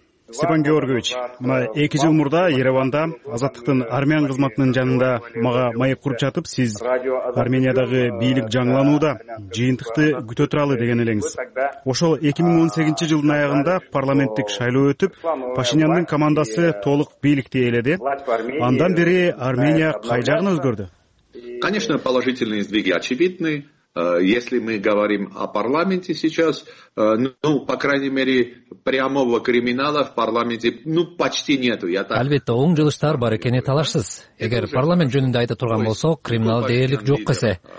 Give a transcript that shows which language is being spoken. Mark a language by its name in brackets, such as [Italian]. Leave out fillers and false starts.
[Kyrgyz] Степан Георгиевич, мына 2 жыл мурда Ереванда Азаттыктын армян кызматынын жанында мага маек куруп жатып, сиз Армениядагы бийлик жаңылануда жыйынтыкты күтө туралы деген элеңиз. Ошол 2018 жылдын аягында парламенттик шайлоо өтүп, Пашинянын командасы толук бийликти ээледи. Андан бери Армения кай жагын өзгөрдү? [Russian] Конечно, положительные сдвиги очевидны. Если мы говорим о парламенте сейчас, ну, по крайней мере, прямого криминала в парламенте, ну, почти нету. [Kyrgyz] Албетте, оң жылыштар бар экени талашсыз. Эгер парламент жөнүндө айта турган болсок, криминал дээрлик жок эсе.